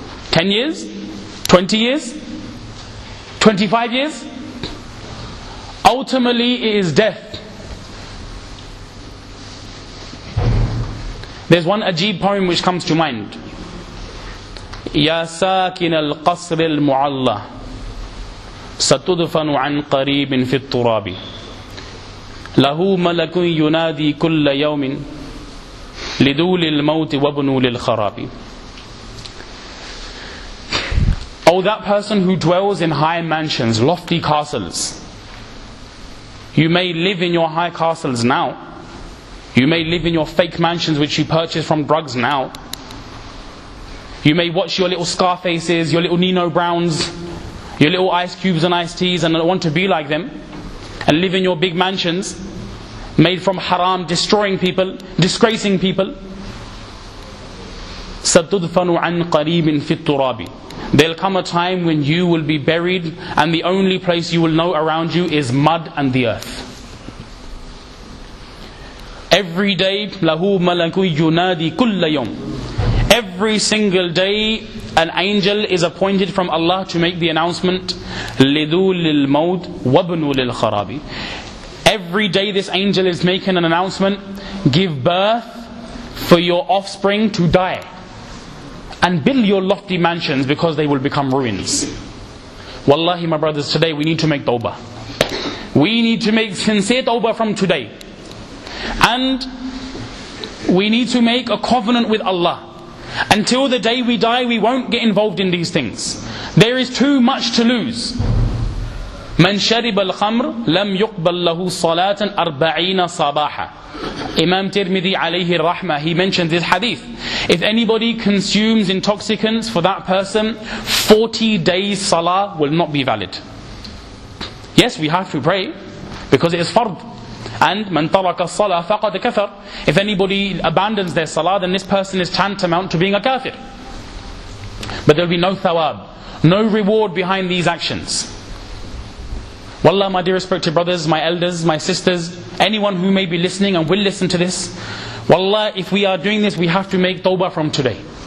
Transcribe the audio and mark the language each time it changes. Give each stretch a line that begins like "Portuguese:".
English: 10 years? 20 years? 25 years? Ultimately it is death. There's one Ajib poem which comes to mind.
Arabic: Ya Sakin al-Qasr al-Mu'alla, ستدفن عن قريب في التراب له ملك ينادي كل يوم لدول الموت وابن للخراب.
English: Oh, that person who dwells in high mansions, lofty castles. You may live in your high castles now. You may live in your fake mansions which you purchased from drugs now. You may watch your little Scarfaces, your little Nino Browns, your little ice cubes and iced teas, and want to be like them, and live in your big mansions, made from haram, destroying people, disgracing people.
Arabic: سَتُدْفَنُ عَنْ قَرِيبٍ فِي التُّرَابِ.
English: There'll come a time when you will be buried, and the only place you will know around you is mud and the earth. Every day,
Arabic: لَهُ مَلَكُ يُنَادِي كُلَّ يَوْمٍ.
English: Every single day, an angel is appointed from Allah to make the announcement,
Arabic: لِذُولِ الْمَوْتِ وَابْنُ لِلْخَرَابِ.
English: Every day this angel is making an announcement, give birth for your offspring to die. And build your lofty mansions because they will become ruins. Wallahi, my brothers, today we need to make tawbah. We need to make sincere tawbah from today. And we need to make a covenant with Allah. Until the day we die, we won't get involved in these things. There is too much to lose.
Arabic: من شرب الخمر لم يقبل له صلاة أربعين صباحا.
English: Imam Tirmidhi alayhi rahmah, he mentioned this hadith. If anybody consumes intoxicants, for that person, 40 days salah will not be valid. Yes, we have to pray, because it is fard. And
Arabic: من ترك الصلاة فقد كفر.
English: If anybody abandons their salah, then this person is tantamount to being a kafir. But there will be no thawab, no reward behind these actions. Wallah, my dear respected brothers, my elders, my sisters, anyone who may be listening and will listen to this, wallah, if we are doing this, we have to make tawbah from today.